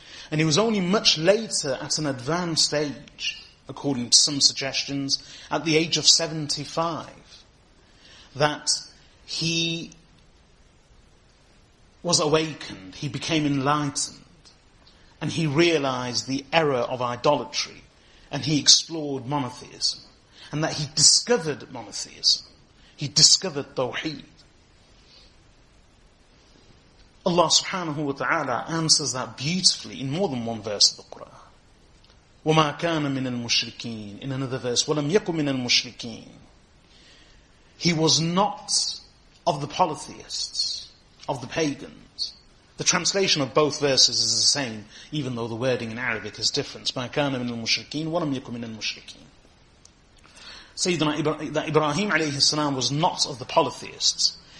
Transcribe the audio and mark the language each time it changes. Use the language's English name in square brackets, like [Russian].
[English] And he was only much later, at an advanced age, according to some suggestions, at the age of 75, that he was awakened, he became enlightened, and he realized the error of idolatry, and he explored monotheism. And that he discovered monotheism. He discovered Tawheed. Allah subhanahu wa ta'ala answers that beautifully in more than one verse of the Quran. [Arabic] وَمَا كَانَ مِنَ الْمُشْرِكِينَ. [English] In another verse, [Arabic] وَلَمْ يَكُمْ مِنَ الْمُشْرِكِينَ. [English] He was not of the polytheists, of the pagans. The translation of both verses is the same, even though the wording in Arabic is different. [Arabic] مَا كَانَ مِنَ الْمُشْرِكِينَ وَلَمْ يَكُمْ مِنَ الْمُشْرِكِينَ. [English] Sayyidina Ibrahim alayhi salam was not of the polytheists.